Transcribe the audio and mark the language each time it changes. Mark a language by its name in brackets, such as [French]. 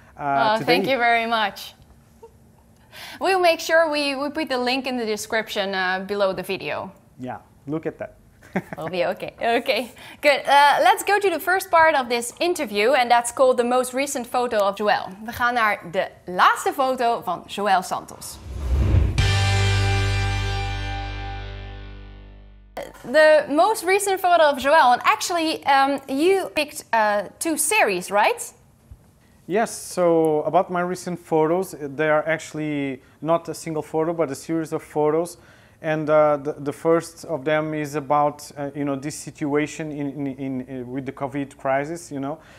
[English] thank you very much. We'll make sure we put the link in the description below the video. Yeah, look at that. We'll be okay. Okay, good. Let's go to the first part of this interview, and that's called the most recent photo of Joel. [Dutch] We gaan naar de laatste foto van Joel Santos. [English] The most recent photo of Joel, and actually you picked two series, right? Yes, so about my recent photos, they are actually not a single photo, but a series of photos. And the first of them is about, you know, this situation in with the COVID crisis, you know.